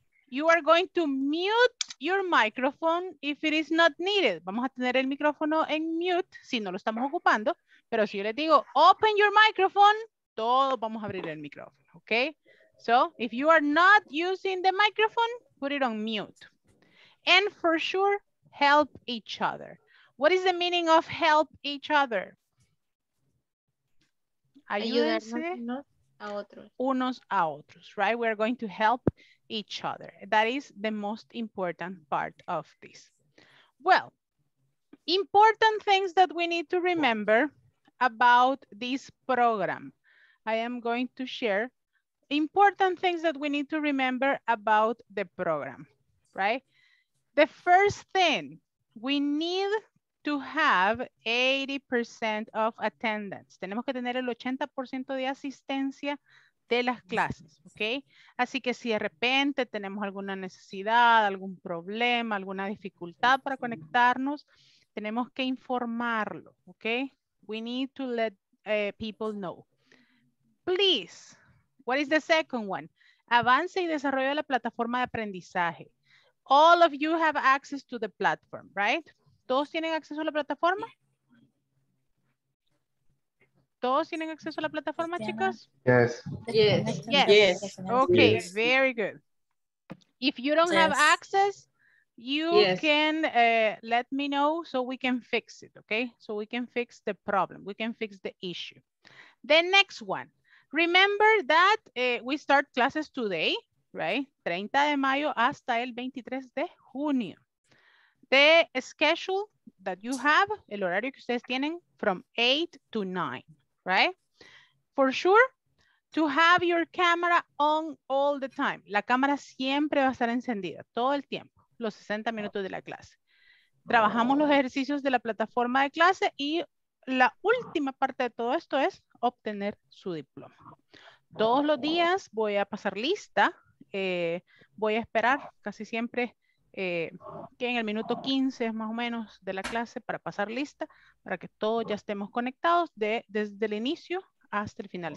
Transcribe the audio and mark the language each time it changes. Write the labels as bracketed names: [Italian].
[English] You are going to mute your microphone if it is not needed. [Spanish] Vamos a tener el micrófono en mute si no lo estamos ocupando. Pero si yo les digo, [English] open your microphone, [Spanish] todos vamos a abrir el micrófono, okay? [English] So if you are not using the microphone, put it on mute. And for sure, help each other. What is the meaning of help each other? [Spanish] Ayúdense. A otros. Unos a otros, [English] right? We're going to help each other. That is the most important part of this. Well, important things that we need to remember about this program. I am going to share important things that we need to remember about the program, right? The first thing, we need to have 80% of attendance. [Spanish] Tenemos que tener el 80% de asistencia de las clases, ¿ok? Así que si de repente tenemos alguna necesidad, algún problema, alguna dificultad para conectarnos, tenemos que informarlo, ¿ok? [English] We need to let people know. Please, what is the second one? [Spanish] Avance y desarrollo de la plataforma de aprendizaje. [English] All of you have access to the platform, right? [Spanish] ¿Todos tienen acceso a la plataforma? ¿Todos tienen acceso a la plataforma, chicas? [English] Yes. Yes. Yes. Yes. Okay, yes. Very good. If you don't yes. have access, you yes. can let me know so we can fix it, okay? So we can fix the problem. We can fix the issue. The next one. Remember that we start classes today, right? [Spanish] 30 de mayo hasta el 23 de junio. [English] The schedule that you have, [Spanish] el horario que ustedes tienen, [English] from 8 to 9, right? For sure, to have your camera on all the time. [Spanish] La cámara siempre va a estar encendida, todo el tiempo, los 60 minutos de la clase. Trabajamos los ejercicios de la plataforma de clase y la última parte de todo esto es obtener su diploma. Todos los días voy a pasar lista, voy a esperar casi siempre que en el minuto 15 más o menos de la clase para pasar lista, para que todos ya estemos conectados desde el inicio hasta el final.